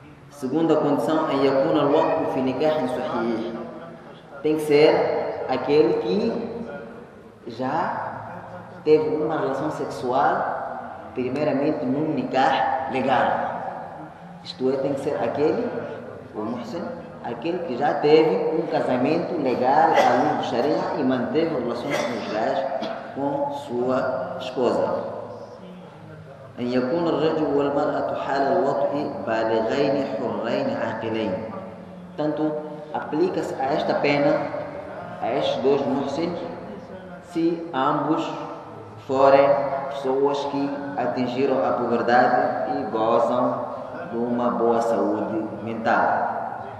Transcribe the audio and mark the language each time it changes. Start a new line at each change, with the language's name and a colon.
Portuguese: Segunda condição,
Arabic: em Yakuna Loku Finikah Sohih,
Portuguese: tem que ser aquele que já teve uma relação sexual, primeiramente num nikah legal. Isto é, tem que ser aquele, o Muhsin, aquele que já teve um casamento legal à luz do Sharia e manteve relações conjugais com sua esposa.
Arabic: أن يكون الرجل والمرأة حال الوطء بالغين حرين عاقلين.
Portuguese: Portanto, aplica-se a esta pena, a estes dois Muhsin, se ambos forem pessoas que atingiram a puberdade e gozam de uma boa saúde mental.